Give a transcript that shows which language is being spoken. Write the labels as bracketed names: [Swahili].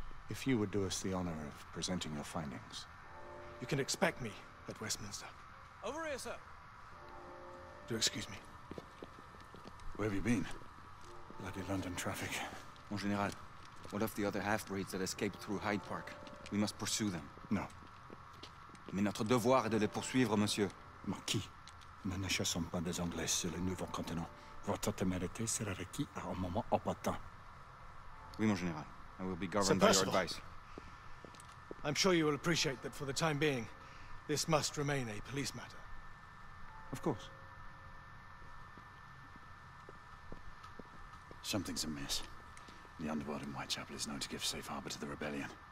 [English] If you would do us the honor of presenting your findings. You can expect me at Westminster. Over here, sir. Do excuse me. Where have you been? Bloody London traffic. [French] Mon général. [English] What of the other half-breeds that escaped through Hyde Park? We must pursue them. No. [French] Mais notre devoir est de les poursuivre, monsieur. Marquis, nous ne chassons pas des Anglais sur le nouveau continent. Votre témérité sera requise à un moment opportun. Oui, mon général. [English] I will be governed by your advice. I'm sure you will appreciate that for the time being, this must remain a police matter. Of course. Something's amiss. The underworld in Whitechapel is known to give safe harbor to the rebellion.